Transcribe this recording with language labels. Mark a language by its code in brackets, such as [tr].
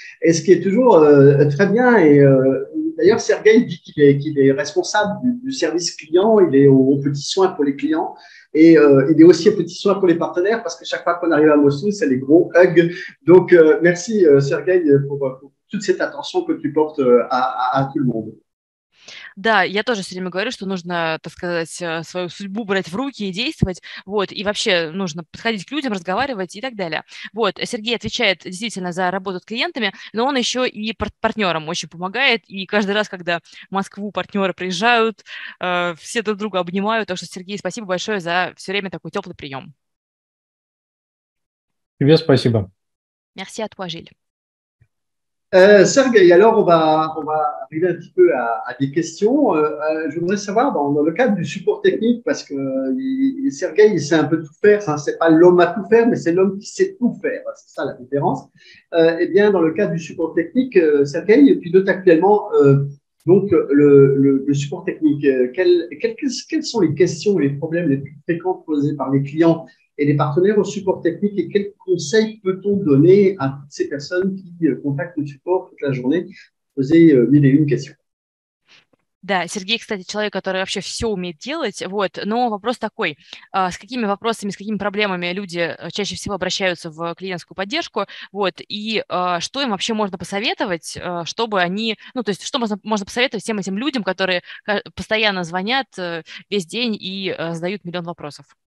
[fr] Et ce qui est toujours très bien, et d'ailleurs, Sergueï dit qu'il est responsable du service client, il est aux petits soins pour les clients, et il est aussi aux petits soins pour les partenaires, parce que chaque fois qu'on arrive à Moscou, c'est les gros hugs. Donc, merci, Sergueï, pour toute cette attention que tu portes à tout le monde. [ru] Да, я тоже все время говорю, что нужно, так сказать, свою судьбу брать в руки и действовать, вот, и вообще нужно подходить к людям, разговаривать и так далее. Вот, Сергей отвечает действительно за работу с клиентами, но он еще и партнерам очень помогает, и каждый раз, когда в Москву партнеры приезжают, все друг друга обнимают, так что, Сергей, спасибо большое за все время такой теплый прием. Тебе спасибо. [fr] Merci à toi, Gilles. Sergueï, alors on va arriver un petit peu à des questions. Je voudrais savoir, dans le cadre du support technique, parce que Sergueï, il sait un peu tout faire, hein, c'est pas l'homme à tout faire, mais c'est l'homme qui sait tout faire, c'est ça la différence. Eh bien, dans le cadre du support technique, Sergueï, et puis d'autres actuellement, donc le support technique, quelles sont les questions, les problèmes les plus fréquents posés par les clients et les partenaires au support technique, et quels conseils peut-on donner à toutes ces personnes qui contactent le support toute la journée pour poser mille et une questions? [ru] Да, Сергей, кстати, человек, который вообще все умеет делать, вот, но вопрос такой, с какими вопросами, с какими проблемами люди чаще всего обращаются в клиентскую поддержку, вот, и что им вообще можно посоветовать, чтобы они, ну, то есть, что можно посоветовать всем этим людям, которые постоянно звонят весь день и задают миллион вопросов?